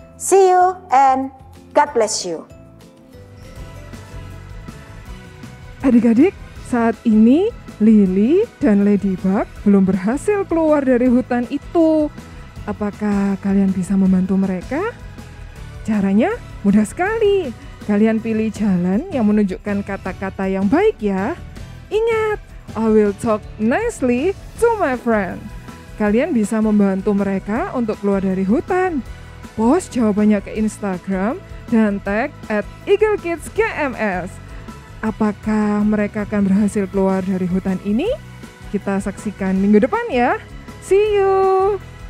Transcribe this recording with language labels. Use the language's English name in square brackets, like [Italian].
[English] See you and God bless you. [Indonesian] Adik-adik, saat ini Lily dan Ladybug belum berhasil keluar dari hutan itu. Apakah kalian bisa membantu mereka? Caranya mudah sekali. Kalian pilih jalan yang menunjukkan kata-kata yang baik ya. Ingat, [English] I will talk nicely to my friend. [Indonesian] Kalian bisa membantu mereka untuk keluar dari hutan. Post jawabannya ke Instagram dan tag @eaglekidsKMS. Apakah mereka akan berhasil keluar dari hutan ini? Kita saksikan minggu depan ya. [English] See you!